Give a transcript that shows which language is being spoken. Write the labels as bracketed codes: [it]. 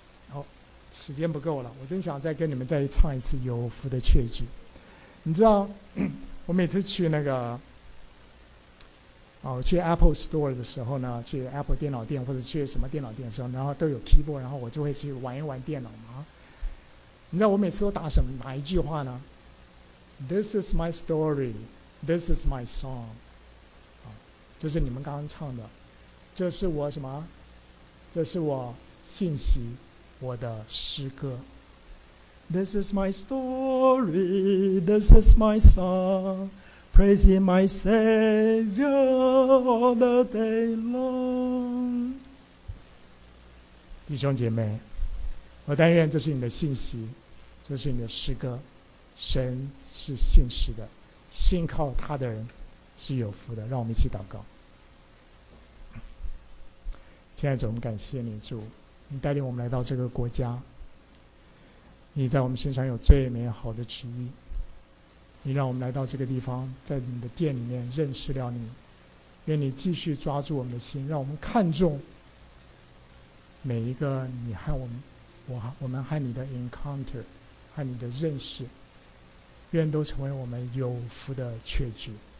[zh] 好，时间不够了，我真想再跟你们再唱一次《有福的确据》。你知道，我每次去那个，去 Apple Store 的时候呢，去 Apple 电脑店或者去什么电脑店的时候，然后都有 keyboard， 然后我就会去玩一玩电脑嘛。你知道我每次都打什么哪一句话呢 ？ [en] This is my story, this is my song。 [zh] 就是你们刚刚唱的，这是我什么？这是我信息，我的诗歌。 [en] This is my story, this is my song, praising my Savior all the day long。 [zh] 弟兄姐妹，我但愿这是你的信息，这是你的诗歌。神是信实的，信靠他的人是有福的。让我们一起祷告。亲爱的主，我们感谢你，主，你带领我们来到这个国家，你在我们身上有最美好的旨意，你让我们来到这个地方，在你的殿里面认识了你，愿你继续抓住我们的心，让我们看重每一个你和我们，我们和你的 encounter， 和你的认识，愿都成为我们有福的确据。